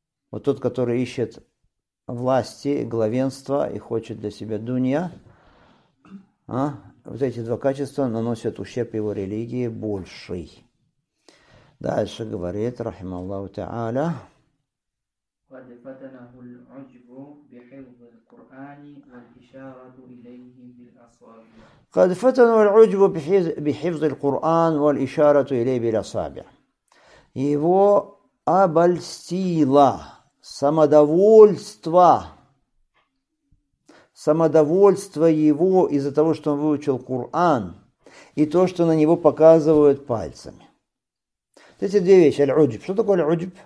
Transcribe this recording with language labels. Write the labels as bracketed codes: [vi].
[ru] Вот тот, который ищет власти, главенства и хочет для себя дунья. А? Вот эти два качества наносят ущерб его религии больший. Дальше говорит, рахима Аллаху Та'аля. [ar] قد فتنه العجب بحفظ القرآن والإشارة إليه بالأصابع. قد فتنه العجب بحفظ القرآن والإشارة إليه بالأصابع. [ru] Его обольстило самодовольство. Самодовольство его из-за того, что он выучил Коран, и то, что на него показывают пальцами. Эти две вещи. Аль-уджб. Что такое аль-уджб?